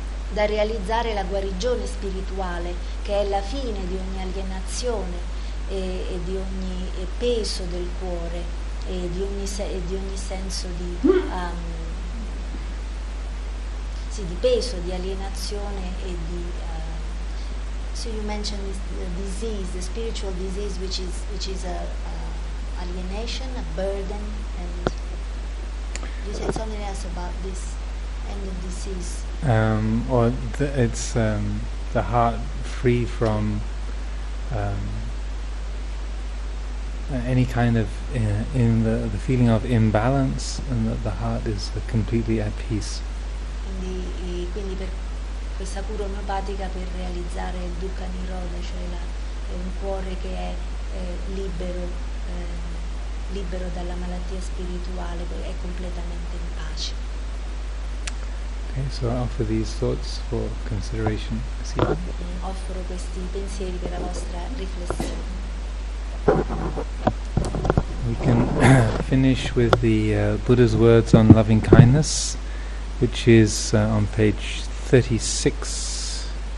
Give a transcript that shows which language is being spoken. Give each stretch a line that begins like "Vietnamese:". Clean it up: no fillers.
Italian: da realizzare la guarigione spirituale, che è la fine di ogni alienazione e di ogni peso del cuore e di ogni senso di peso, di alienazione e di
English: so you mentioned this, the disease, the spiritual disease, which is a alienation, a burden, and you said something else about this end of disease. The heart free from any kind of in the feeling of imbalance, and that the heart is completely at peace.
Italian: Quindi per questa cura omeopatica per realizzare il dukkha nirodha, cioè un cuore che è libero dalla malattia spirituale, è completamente in pace.
English: Okay, so I offer these thoughts for consideration.
Italian: Offro questi pensieri per la vostra riflessione.
English: We can finish with the Buddha's words on loving kindness, which is on page 36.